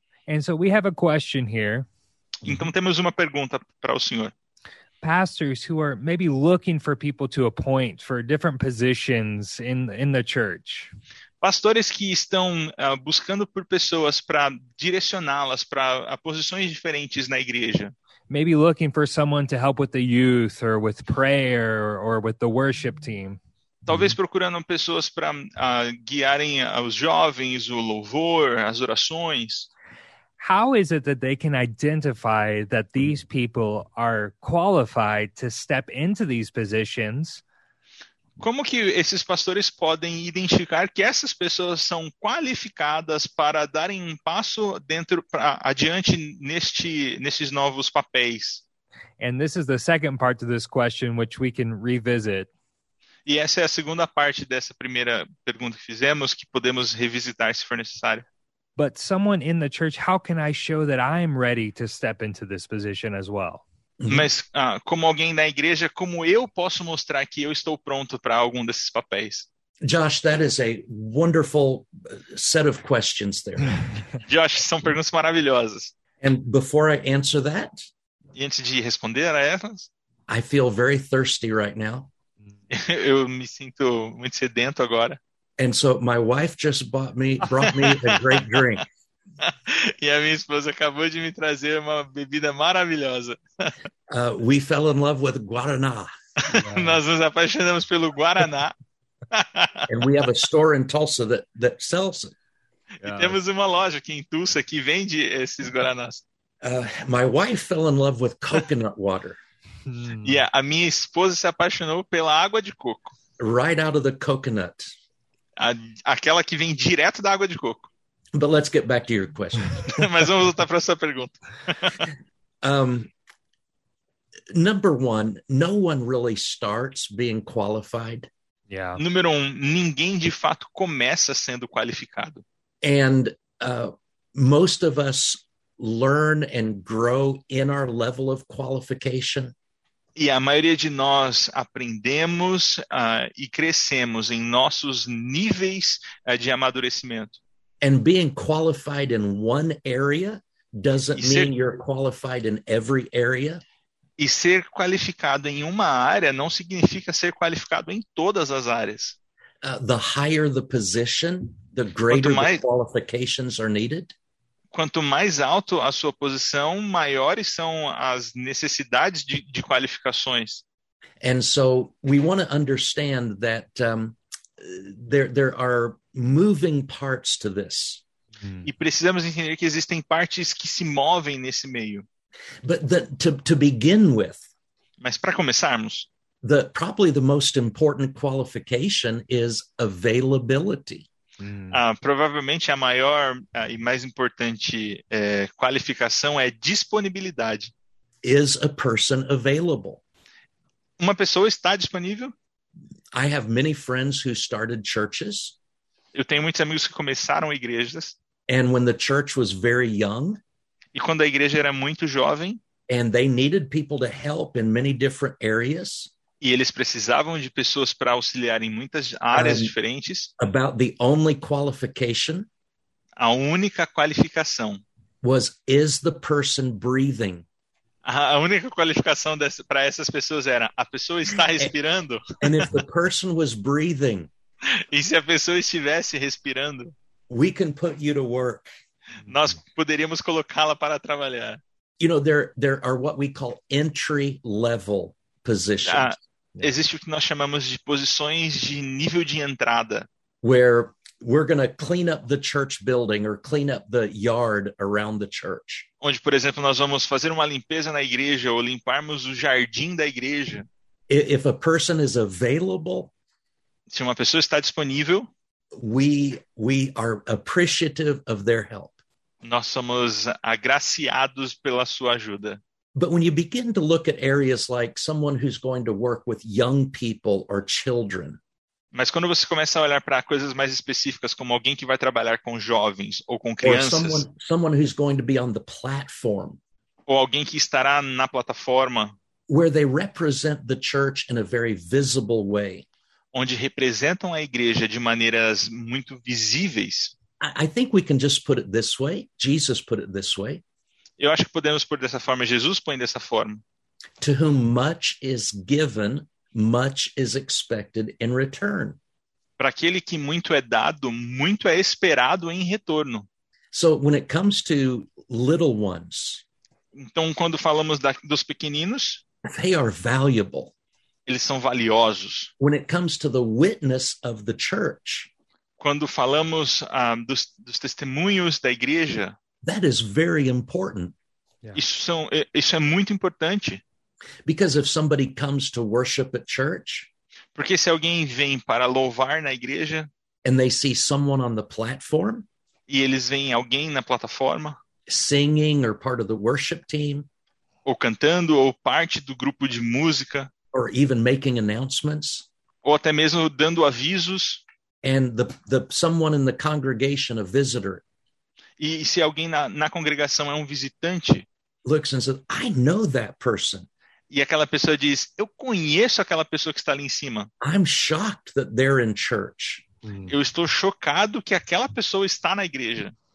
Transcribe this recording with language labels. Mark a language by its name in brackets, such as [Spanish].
[English] And so we have a question here. [Portuguese] Então temos uma pergunta para o Senhor. [English] Pastors who are maybe looking for people to appoint for different positions in the church. [Portuguese] Pastores que estão buscando por pessoas para direcioná-las para posições diferentes na igreja. [English] Maybe looking for someone to help with the youth or with prayer or with the worship team. [Portuguese] Talvez procurando pessoas para guiarem os jovens, o louvor, as orações. [English] How is it that they can identify that these people are qualified to step into these positions? [Portuguese] Como que esses pastores podem identificar que essas pessoas são qualificadas para darem um passo dentro para adiante nesses novos papéis? [English] And this is the second part of this question, which we can revisit. [Portuguese] E essa é a segunda parte dessa primeira pergunta que fizemos, que podemos revisitar se for necessário. [English] But someone in the church, how can I show that I'm ready to step into this position as well? [Portuguese] Mas como alguém na igreja, como eu posso mostrar que eu estou pronto para algum desses papéis? [English] Josh, that is a wonderful set of questions there. [Portuguese] Josh, são perguntas maravilhosas. [English] And before I answer that, [Portuguese] e antes de responder a essas, [English] I feel very thirsty right now. [Portuguese] Eu me sinto muito sedento agora. [English] And so my wife just brought me a great drink. [Portuguese] E a minha esposa acabou de me trazer uma bebida maravilhosa. [English] We fell in love with Guaraná. Yeah. [Portuguese] Nós nos apaixonamos pelo Guaraná. [English] And we have a store in Tulsa that sells it. [Portuguese] E temos uma loja aqui em Tulsa que vende esses Guaranás. [English] My wife fell in love with coconut water. [Portuguese] Yeah, a minha esposa se apaixonou pela água de coco. [English] Right out of the coconut. [Portuguese] Aquela que vem direto da água de coco. [English] But let's get back to your question. [Portuguese] Mas vamos voltar para essa pergunta. [English] Number one, no one really starts being qualified. Yeah. [Portuguese] Número um, ninguém de fato começa sendo qualificado. [English] And most of us learn and grow in our level of qualification. [Portuguese] E a maioria de nós aprendemos e crescemos em nossos níveis de amadurecimento. [English] And being qualified in one area doesn't mean you're qualified in every area. [Portuguese] E ser qualificado em uma área não significa ser qualificado em todas as áreas. [English] The higher the position, the greater the qualifications are needed. [Portuguese] Quanto mais alto a sua posição, maiores são as necessidades de qualificações. [English] And so we want to understand that there are moving parts to this. [Portuguese] E precisamos entender que existem partes que se movem nesse meio. [English] But to begin with. [Portuguese] Mas para começarmos, [English] probably the most important qualification is availability. [Portuguese] Provavelmente a maior e mais importante qualificação é disponibilidade. [English] Is a person available? [Portuguese] Uma pessoa está disponível? [English] I have many friends who started churches. [Portuguese] Eu tenho muitos amigos que começaram igrejas. [English] And when the church was very young. [Portuguese] E quando a igreja era muito jovem. [English] And they needed people to help in many different areas. [Portuguese] E eles precisavam de pessoas para auxiliar em muitas áreas diferentes. [English] About the only qualification. [Portuguese] A única qualificação. [English] Is the person breathing? [Portuguese] A única qualificação para essas pessoas era: a pessoa está respirando? [English] And if the person was breathing, [Portuguese] E se a pessoa estivesse respirando? [English] we can put you to work. [Portuguese] Nós poderíamos colocá-la para trabalhar. [English] You know, there are what we call entry-level positions. [Portuguese] Ah, existe o que nós chamamos de posições de nível de entrada. [English] Where we're going to clean up the church building or clean up the yard around the church. [Portuguese] Onde, por exemplo, nós vamos fazer uma limpeza na igreja ou limparmos o jardim da igreja. [English] If a person is available, [Portuguese] Se uma pessoa está disponível, [English] we are appreciative of their help. [Portuguese] nós somos agraciados pela sua ajuda. [English] But when you begin to look at areas like someone who's going to work with young people or children, [Portuguese] Mas quando você começa a olhar para coisas mais específicas, como alguém que vai trabalhar com jovens ou com [English] or [Portuguese] crianças, [English] someone who's going to be on the platform, [Portuguese] ou alguém que estará na plataforma, [English] where they represent the church in a very visible way. [Portuguese] onde representam a igreja de maneiras muito visíveis, [English] I think we can just put it this way. Jesus put it this way. [Portuguese] eu acho que podemos pôr dessa forma, Jesus põe dessa forma. [English] To whom much is given, much is expected in return. [Portuguese] Para aquele que muito é dado, muito é esperado em retorno. [English] So when it comes to little ones, [Portuguese] Então, quando falamos dos pequeninos, [English] they are valuable. [Portuguese] eles são valiosos. [English] When it comes to the witness of the church, [Portuguese] Quando falamos dos testemunhos da igreja, [English] that is very important. [Portuguese] isso é muito importante. [English] Because if somebody comes to worship at church [Portuguese] Porque se alguém vem para louvar na igreja [English] and they see someone on the platform [Portuguese] e eles veem alguém na plataforma, [English] singing or part of the worship team [Portuguese] ou cantando, ou parte do grupo de música, [English] or even making announcements [Portuguese] ou até mesmo dando avisos, [English] and the someone in the congregation, a visitor, [Portuguese] e se alguém na congregação é um visitante, [English] looks and says, I know that person. [Portuguese] e aquela pessoa diz: eu conheço aquela pessoa que está ali em cima. [English] I'm shocked that they're in church. [Portuguese] Eu estou chocado que aquela pessoa está na igreja.